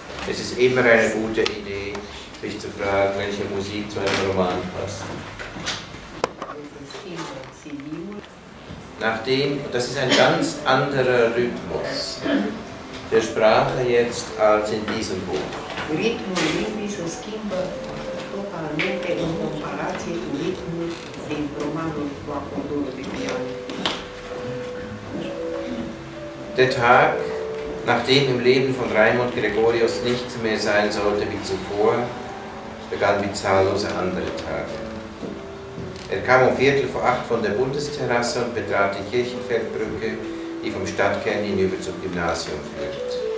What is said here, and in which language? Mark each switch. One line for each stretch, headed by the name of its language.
German: Es ist immer eine gute Idee, sich zu fragen, welche Musik zu einem Roman passt. Nachdem, das ist ein ganz anderer Rhythmus der Sprache jetzt als in diesem Buch.
Romanian: Rhythmus limbii se schimbă totalmente în comparație cu ritmul din romanul cu acordurile de piano.
German: Der Tag, nachdem im Leben von Raimund Gregorius nichts mehr sein sollte wie zuvor, begann wie zahllose andere Tage. Er kam um 19:45 von der Bundesterrasse und betrat die Kirchenfeldbrücke, die vom Stadtkern hinüber zum Gymnasium führt.